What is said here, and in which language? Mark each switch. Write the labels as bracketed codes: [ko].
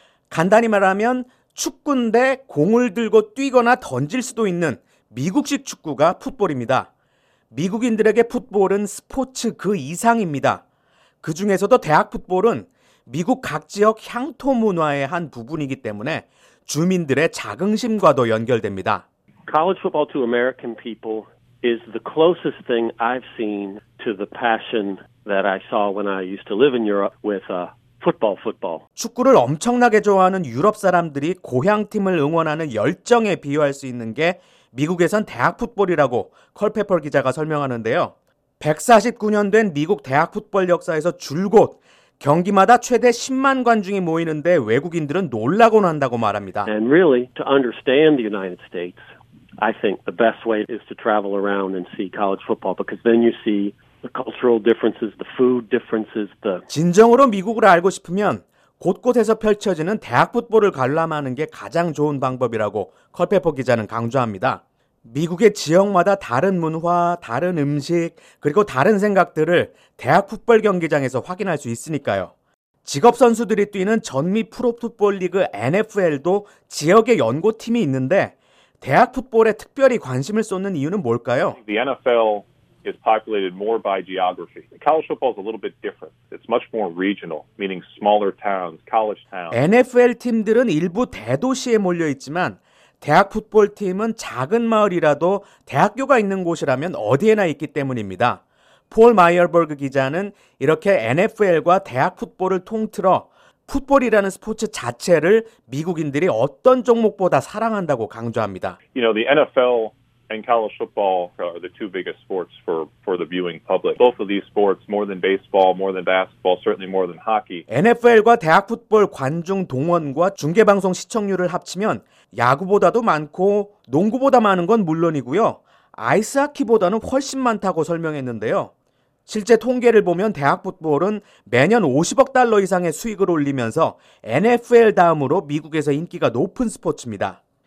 [ko] 간단히 말하면 축구인데 공을 들고 뛰거나 던질 수도 있는 미국식 축구가 풋볼입니다. 미국인들에게 풋볼은 스포츠 그 이상입니다. 그 중에서도 대학 풋볼은 미국 각 지역 향토 문화의 한 부분이기 때문에 주민들의 자긍심과도 연결됩니다. [en] College football to American people is the closest thing I've seen to the passion that I saw when I used to live in Europe with a football. [ko] 축구를 엄청나게 좋아하는 유럽 사람들이 고향팀을 응원하는 열정에 비유할 수 있는 게 미국에선 대학 풋볼이라고 컬페퍼 기자가 설명하는데요. 149년 된 미국 대학 풋볼 역사에서 줄곧 경기마다 최대 10만 관중이 모이는데 외국인들은 놀라곤 한다고 말합니다. [en] And really, to understand the United States, I think the best way is to travel around and see college football because then you see the cultural differences, the food differences. [ko] 진정으로 미국을 알고 싶으면 곳곳에서 펼쳐지는 대학 풋볼을 관람하는 게 가장 좋은 방법이라고 컬페퍼 기자는 강조합니다. 미국의 지역마다 다른 문화, 다른 음식, 그리고 다른 생각들을 대학 풋볼 경기장에서 확인할 수 있으니까요. 직업 선수들이 뛰는 전미 프로 풋볼 리그 NFL도 지역의 연고팀이 있는데 대학 풋볼에 특별히 관심을 쏟는 이유는 뭘까요? [en] The NFL is populated more by geography. College football is a little bit different. It's much more regional, meaning smaller towns, college towns. [ko] NFL 팀들은 일부 대도시에 몰려 있지만 대학 풋볼 팀은 작은 마을이라도 대학교가 있는 곳이라면 어디에나 있기 때문입니다. 폴 마이어버그 기자는 이렇게 NFL과 대학 풋볼을 통틀어 풋볼이라는 스포츠 자체를 미국인들이 어떤 종목보다 사랑한다고 강조합니다. [en] You know, the NFL and college football are the two biggest sports for the viewing public. Both of these sports, more than baseball, more than basketball, certainly more than hockey. [ko] NFL과 대학 풋볼 관중 동원과 중계방송 시청률을 합치면 야구보다도 많고 농구보다 많은 건 물론이고요. 아이스하키보다는 훨씬 많다고 설명했는데요. 실제 통계를 보면 대학 풋볼은 매년 50억 달러 이상의 수익을 올리면서 NFL 다음으로 미국에서 인기가 높은 스포츠입니다.